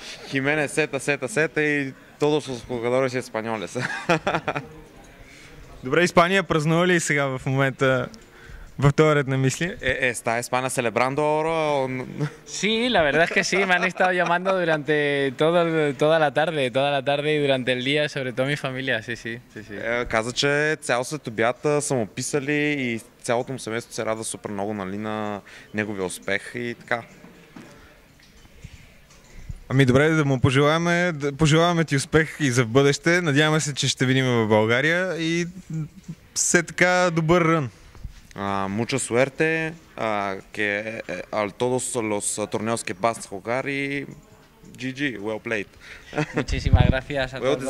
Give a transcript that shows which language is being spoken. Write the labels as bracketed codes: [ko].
[es] Jiménez, Сета и todos los jugadores españoles. [bg] Добре, Испания празнува ли сега в момента в този ред на мисли? [es] Está España celebrando ahora. Sí, la verdad es que sí, me han estado llamando durante toda la tarde y durante el día, sobre todo mi familia. Sí. [bg] Каза, че цял след обяд са му писали и цялото му семейство се радва супер много, нали, на неговия успех и така. Ами добре, да му пожелаваме, ти успех и за в бъдеще. Надяваме се, че ще видим в България и все така добър рън. [es] Mucha suerte, que al todos los torneos que vas a jugar y GG, [en] well played. [es] Muchísimas gracias a todos.